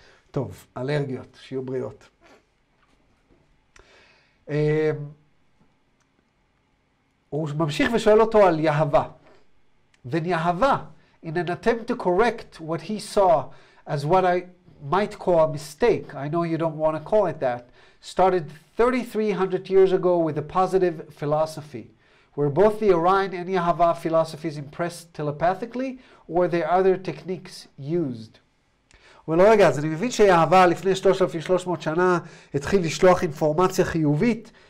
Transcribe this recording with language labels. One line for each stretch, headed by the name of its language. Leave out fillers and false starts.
Hebrew: טוב, אלרגיות, שיהיו בריאות. הוא ממשיך ושואל אותו על יהבה.
English: Then יהבה, in an attempt to correct what he saw as what I might call a mistake, I know you don't want to call it that, started 3,300 years ago with a positive philosophy, where both the Orion and Yahavah philosophies impressed telepathically, or there are other techniques used.
Hebrew: Well, רגע, אז אני מבין שיהבה לפני 3,300 שנה התחיל לשלוח אינפורמציה חיובית.